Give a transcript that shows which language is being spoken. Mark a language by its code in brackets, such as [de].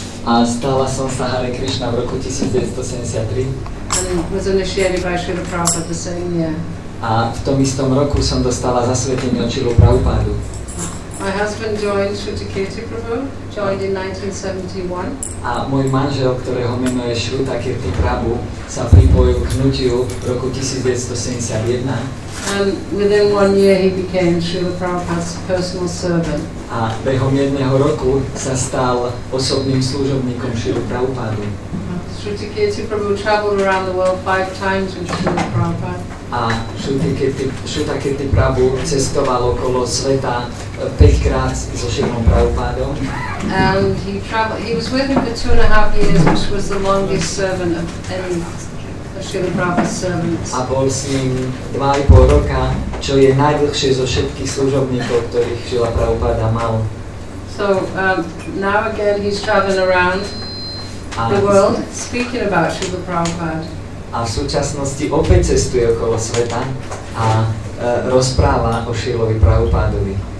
[sk] A stala som sa Hare Krishna v roku 1973. [en] And was initiated by Srila Prabhupada the same year. [sk] A v tom istom roku som dostala zasvetenie od Srila Prabhupada. [en] My husband joined Shruti Kirti Prabhu, joined in 1971. [sk] A môj manžel, ktorého meno je Shruta Kirti Prabhu, sa pripojil k hnutiu v roku 1971. [en] And within one year he became Srila Prabhupada's personal servant. [sk] A behom jedného roku sa stal osobným služobníkom Srila Prabhupada. [en] Shruti Kirti Prabhu traveled around the world 5 times with Srila Prabhupada. [sk] A Shruta Kirti Prabhu cestoval okolo sveta 5-krát so Srilom Prabhupádom. [en] And he was with him for 2.5 years, which was the longest servant of any of Srila Prabhupada's servants. [sk] A bol s ním 2.5 roka, čo je najdlhšie zo všetkých služobníkov, ktorých Srila Prabhupáda mal. [en] So now again he's traveling around the world speaking about Srila Prabhupada. [sk] A v súčasnosti opäť cestuje okolo sveta a rozpráva o Šrílovi Prabhupádovi.